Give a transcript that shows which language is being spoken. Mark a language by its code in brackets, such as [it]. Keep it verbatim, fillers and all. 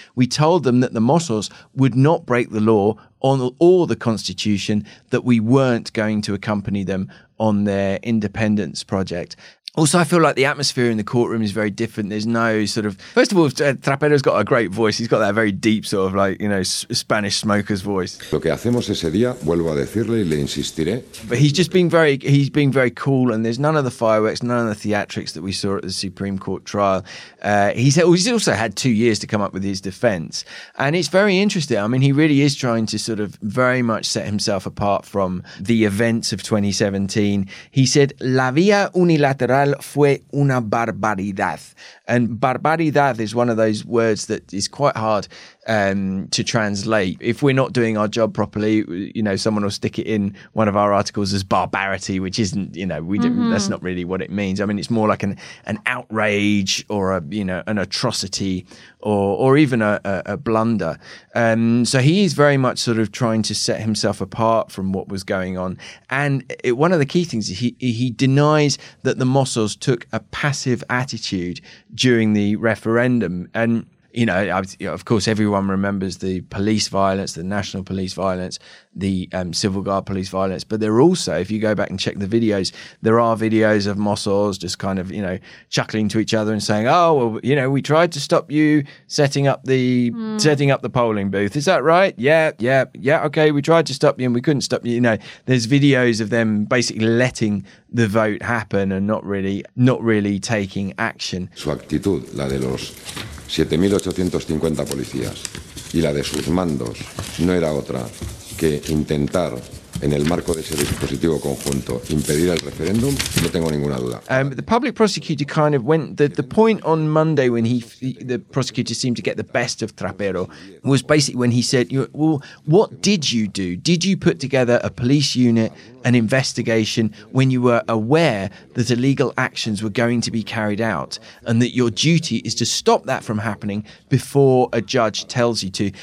[en] We told them that the Mossos would not break the law on or the constitution, that we weren't going to accompany them on their independence project. Also, I feel like the atmosphere in the courtroom is very different. There's no sort of... First of all, Trapero's got a great voice. He's got that very deep sort of like, you know, s- Spanish smoker's voice. [es] Lo que hacemos ese día, vuelvo a decirle y le insistiré. [en] But he's just being very, he's being very cool, and there's none of the fireworks, none of the theatrics that we saw at the Supreme Court trial. Uh, he's, he's also had two years to come up with his defence. And it's very interesting. I mean, he really is trying to sort of very much set himself apart from the events of twenty seventeen. He said, [es] La vía unilateral fue una barbaridad. [en] And barbaridad is one of those words that is quite hard um, to translate. If we're not doing our job properly, you know, someone will stick it in one of our articles as barbarity, which isn't, you know, we mm-hmm. don't, that's not really what it means. I mean, it's more like an, an outrage or a, you know, an atrocity or, or even a, a, a blunder. Um, so he is very much sort of trying to set himself apart from what was going on. And it, one of the key things is he, he denies that the Moss took a passive attitude during the referendum. And, you know, of course, everyone remembers the police violence, the national police violence, the um, civil guard police violence. But there are also, if you go back and check the videos, there are videos of Mossos just kind of, you know, chuckling to each other and saying, oh, well, you know, we tried to stop you setting up the mm. setting up the polling booth. Is that right? Yeah, yeah, yeah. OK, we tried to stop you and we couldn't stop you. You know, there's videos of them basically letting the vote happen and not really not really taking action. [es] Su actitud, la de los siete mil ochocientos cincuenta policías y la de sus mandos, no era otra que intentar, en el marco de ese dispositivo conjunto, impedir el referéndum, no tengo ninguna duda. [en] Um, the public prosecutor kind of went, the, the point on Monday when he, the prosecutor seemed to get the best of Trapero was basically when he said, well, what did you do? Did you put together a police unit, an investigation, when you were aware that illegal actions were going to be carried out and that your duty is to stop that from happening before a judge tells you to?